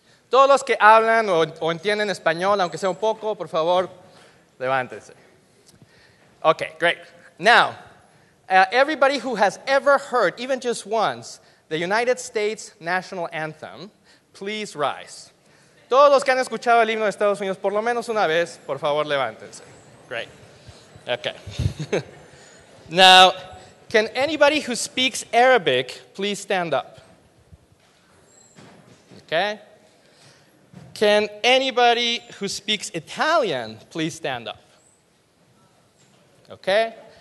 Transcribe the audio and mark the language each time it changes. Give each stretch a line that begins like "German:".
Spanish: Todos los que hablan o entienden español, aunque sea un poco, por favor, levántense.
English: Okay, great. Now, everybody who has ever heard, even just once, the United States national anthem, please rise.
Spanish: Todos los que han escuchado el himno de Estados Unidos por lo menos una vez, por favor, levántense.
English: Great. Okay. Now, can anybody who speaks Arabic please stand up? Okay. Can anybody who speaks Italian please stand up? Okay.